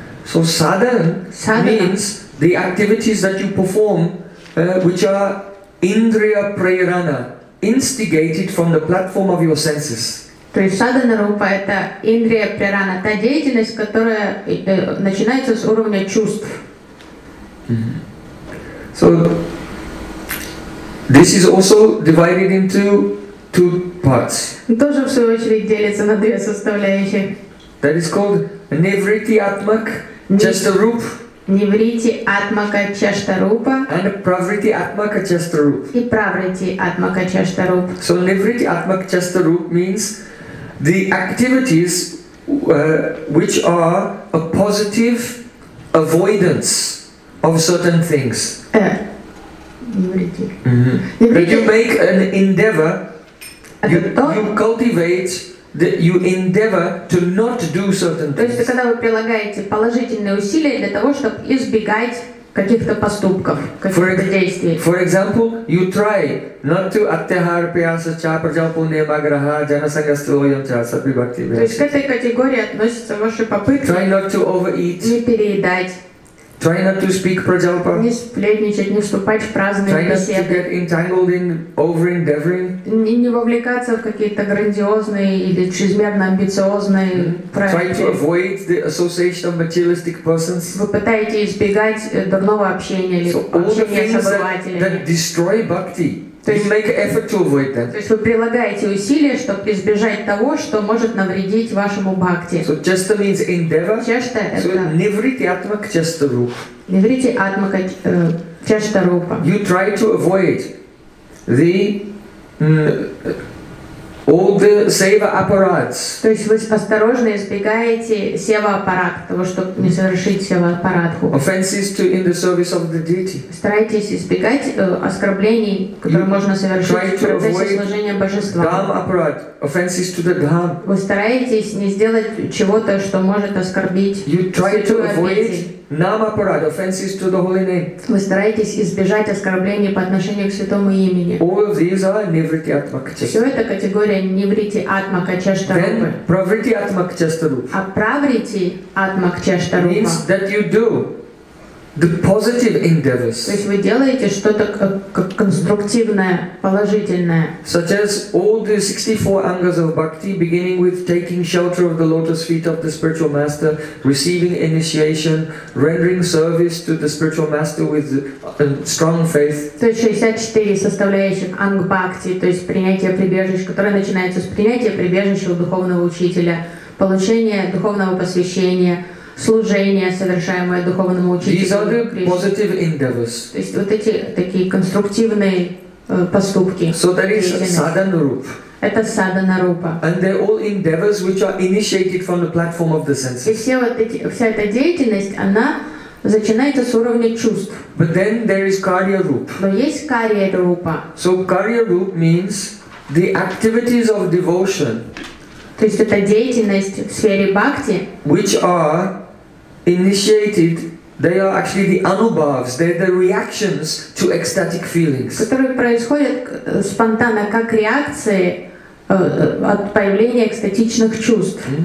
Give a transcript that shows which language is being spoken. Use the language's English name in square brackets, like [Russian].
[English] So sadhan means the activities that you perform, which are Indriya Prerana, instigated from the platform of your senses. [Russian] То есть sadhana rupa – это Indriya Prerana, та деятельность, которая начинается с уровня чувств. [English] So this is also divided into two parts. [Russian] Тоже в свою очередь делится на две составляющие. [English] That is called [Sanskrit] Nivritti Atmak. Cheshta Rup. Nivritti Atmaka Cheshta Rupa. And Pravritti Atmaka Cheshta Rup. И Pravritti Atmaka Cheshta Rup. [English] So Nivritti Atmaka Cheshta Rup means the activities which are a positive avoidance of certain things. [Sanskrit] Nivritti. [English] That you make an endeavor, you cultivate. That you endeavor to not do certain things. [Russian] То есть когда вы прилагаете положительные усилия для того, чтобы избегать каких-то поступков, каких-то действий. [English] For example, you try not to [Sanskrit] attihar piyasa cha prajapu nevagraha janasangastroyam cha sabhi bhakti [Russian] vyasa. То есть к этой категории относятся ваши попытки. [English] Try not to overeat. [Russian] Не переедать. [English] Try not to speak prajalpa. [Russian] Не сплетничать, не вступать в праздные беседы. [English] Try not to get entangled in over-endeavoring. [Russian] Не вовлекаться в какие-то грандиозные или чрезмерно амбициозные проекты. [English] Try to avoid the association of materialistic persons. [Russian] Вы пытаетесь избегать дурного общения или общения с обывателями. [English] That destroy bhakti. [Russian] То есть, [English] you make effort to avoid that. [Russian] То есть вы прилагаете усилия, чтобы избежать того, что может навредить вашему бхакти. [English] So cheshta means endeavor. [Sanskrit] Cheshta [English] so [Russian] это. [Sanskrit] Nivritti Atmaka Cheshta Rupa. Nivritti Atmaka Cheshta Rupa. [English] You try to avoid the all the seva apparats. [Russian] То есть вы осторожно избегаете сева аппарат, того, чтобы не совершить сева аппаратху. [English] Offenses to in the service of the deity. [Russian] Стараетесь избегать оскорблений, которые можно совершить в процессе служения божества. [English] Dham apparat. Offenses to the dham. [Russian] Вы стараетесь не сделать чего-то, что может оскорбить. [English] You try to avoid nam apparat. Offenses to the holy name. [Russian] Вы стараетесь избежать оскорблений по отношению к святому имени. [English] All these are nivritti atmaka [Sanskrit] cheshta. [Russian] Все это категория [Sanskrit] nivritti atmaka cheshta rupa. Then pravritti atmaka cheshta rupa. А pravritti atmaka cheshta rupa. [English] Means that you do the positive endeavors. [Russian] То есть вы делаете что-то конструктивное, положительное. [English] Such as all the 64 angas of bhakti, beginning with taking shelter of the lotus feet of the spiritual master, receiving initiation, rendering service to the spiritual master with strong faith. [Russian] То есть 64 составляющих анг бхакти, то есть принятие прибежища, которое начинается с принятия прибежища у духовного учителя, получение духовного посвящения, служение, совершаемое духовному учителю. То есть вот эти такие конструктивные поступки. [English] So that is sadhana rupa. [Russian] Это sadhana rupa. [English] And they're all endeavors which are initiated from the platform of the senses. [Russian] И все вот эти, вся эта деятельность, она начинается с уровня чувств. [English] But then there is karya rupa. [Russian] Но есть karya rupa. [English] So karya rupa means the activities of devotion. [Russian] То есть это деятельность в сфере бхакти. [English] Which are initiated, they are actually the anubhavs, they're the reactions to ecstatic feelings. [Russian] Которые происходят спонтанно как реакции от появления экстатичных чувств.